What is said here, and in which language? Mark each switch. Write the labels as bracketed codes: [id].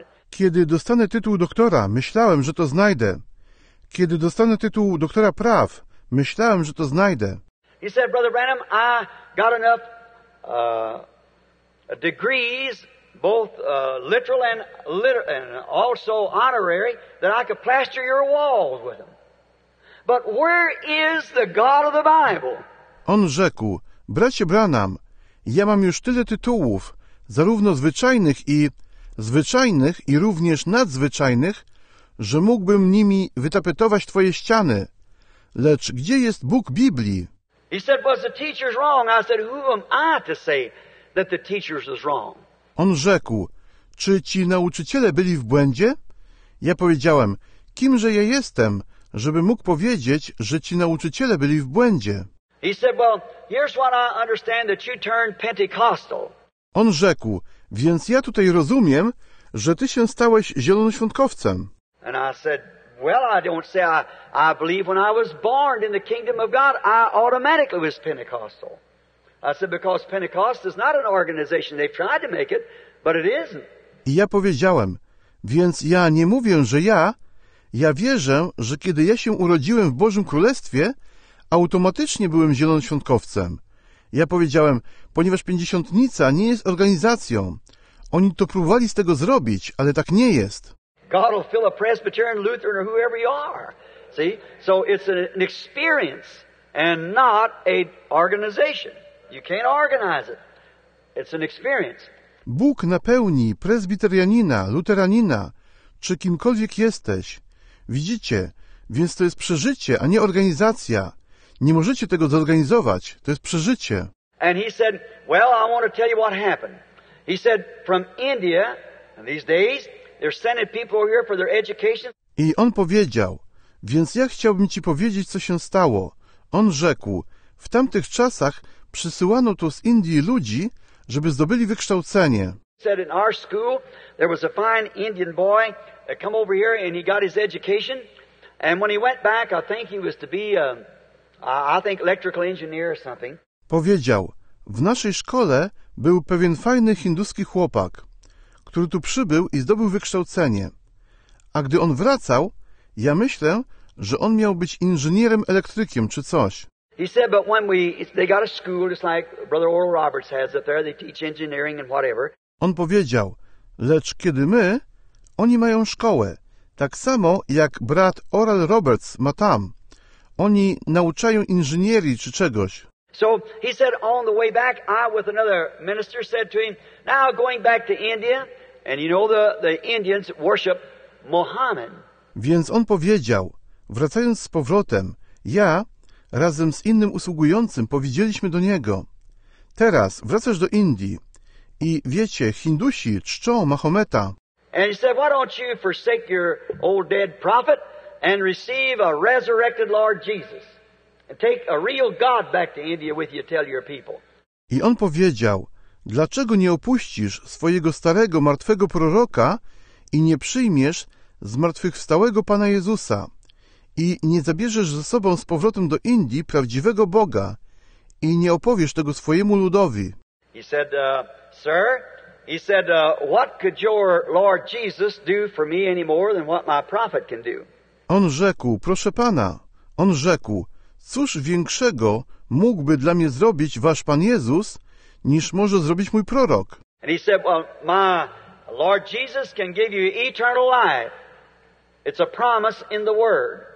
[pl] Kiedy dostanę tytuł doktora, myślałem, że to znajdę. Kiedy dostanę tytuł doktora praw, myślałem, że to znajdę. [en] He said, Brother Branham, I got enough degrees, both literal and also honorary, that I could plaster your walls with them. But where is the God of the Bible? [pl] On rzekł, bracie Branham, ja mam już tyle tytułów, zarówno zwyczajnych i również nadzwyczajnych, że mógłbym nimi wytapetować twoje ściany. Lecz gdzie jest Bóg Biblii? [en] He said, was the teacher's wrong? I said, who am I to say that the teacher's is wrong? [pl] On rzekł, czy ci nauczyciele byli w błędzie? Ja powiedziałem, kimże ja jestem, żeby mógł powiedzieć, że ci nauczyciele byli w błędzie? [en] He said, well, here's what I understand that you turned Pentecostal. [pl] On rzekł, więc ja tutaj rozumiem, że ty się stałeś zielonoświątkowcem. [en] And I said, well, I don't say I believe when I was born in the kingdom of God, I automatically was Pentecostal. I said, because Pentecost is not an organization. They've tried to make it, but it isn't. [pl] I ja powiedziałem, więc ja nie mówię, że ja wierzę, że kiedy ja się urodziłem w Bożym Królestwie, automatycznie byłem zielonoświątkowcem. Ja powiedziałem, ponieważ Pięćdziesiątnica nie jest organizacją. Oni to próbowali z tego zrobić, ale tak nie jest. [en] God will fill a Presbyterian, Lutheran, or whoever you are. See? So it's an experience and not a organization. You can't organize it. It's an experience. [pl] Bóg napełni prezbiterianina, luteranina, czy kimkolwiek jesteś. Widzicie? Więc to jest przeżycie, a nie organizacja. Nie możecie tego zorganizować. To jest przeżycie. [en] And he said, well, I want to tell you what happened. He said, from India, in these days, they're sending people here for their education. [pl] I on powiedział, więc ja chciałbym ci powiedzieć, co się stało. On rzekł, w tamtych czasach przysyłano tu z Indii ludzi, żeby zdobyli wykształcenie. [en] Said in our school, there was a fine Indian boy that come over here and he got his education. And when he went back, I think he was to be, electrical engineer or something. [pl] Powiedział, w naszej szkole był pewien fajny hinduski chłopak, który tu przybył i zdobył wykształcenie. A gdy on wracał, ja myślę, że on miał być inżynierem elektrykiem czy coś. [en] He said, but when they got a school, just like Brother Oral Roberts has up there, they teach engineering and whatever. [pl] On powiedział, lecz kiedy my, oni mają szkołę, tak samo jak brat Oral Roberts ma tam. Oni nauczają inżynierii czy czegoś. [en] So he said on the way back, I with another minister said to him, now going back to India, and you know the Indians worship Muhammad. [pl] Więc on powiedział, wracając z powrotem, ja razem z innym usługującym powiedzieliśmy do niego, teraz wracasz do Indii i wiecie, Hindusi czczą Mahometa. [en] And he said, why don't you forsake your old dead prophet and receive a resurrected Lord Jesus? Take a real God back to India with you, tell your people. [pl] I on powiedział, dlaczego nie opuścisz swojego starego, martwego proroka i nie przyjmiesz zmartwychwstałego Pana Jezusa i nie zabierzesz ze sobą z powrotem do Indii prawdziwego Boga i nie opowiesz tego swojemu ludowi. [en] He said, sir, he said, what could your Lord Jesus do for me any more than what my prophet can do? [pl] On rzekł, proszę Pana, on rzekł, cóż większego mógłby dla mnie zrobić wasz Pan Jezus, niż może zrobić mój prorok? [en] And he said, well, my Lord Jesus can give you eternal life. It's a promise in the Word.